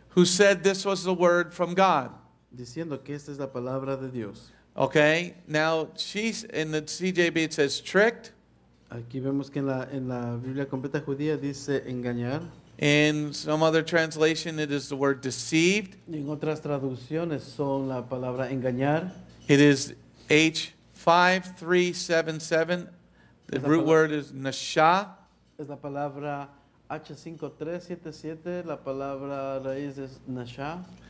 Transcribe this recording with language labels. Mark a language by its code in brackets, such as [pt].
[en] Who said this was the word from God? [es] Diciendo que esta es la palabra de Dios. [en] Okay. Now she's in the CJB. It says tricked. [es] Aquí vemos que en la Biblia completa judía dice engañar. [en] In some other translation, it is the word deceived. [es] En otras traducciones son la palabra engañar. [en] It is H5377. The root word is nasha. [es] Es la palabra H5377, la palabra raíz es nasha.